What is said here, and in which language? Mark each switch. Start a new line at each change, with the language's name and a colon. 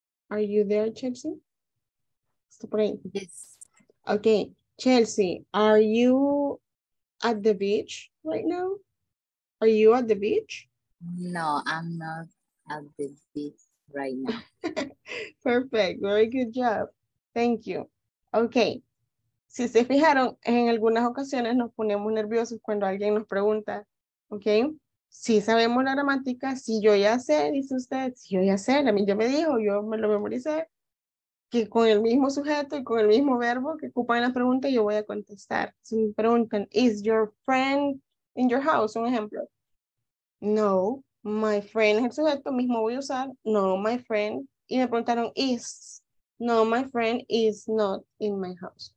English: Are you there, Chelsea? Stop right. Yes. Okay, Chelsea, are you at the beach right now? Are you at the beach? No, I'm not at the beach right now. Perfect, very good job. Thank you.
Spanish: Okay, si se fijaron, en algunas ocasiones nos ponemos nerviosos cuando alguien nos pregunta, okay? Si sabemos la gramática, si yo ya sé, dice usted, si yo ya sé, a mí ya me dijo, yo me lo memoricé, que con el mismo sujeto y con el mismo verbo que ocupan en la pregunta, yo voy a contestar. Si me preguntan,
English: is your friend in your house?
Spanish: Un ejemplo.
English: No, my friend
Spanish: es el sujeto, mismo voy a usar.
English: No, my friend.
Spanish: Y me preguntaron,
English: is. No, my friend is not in my house.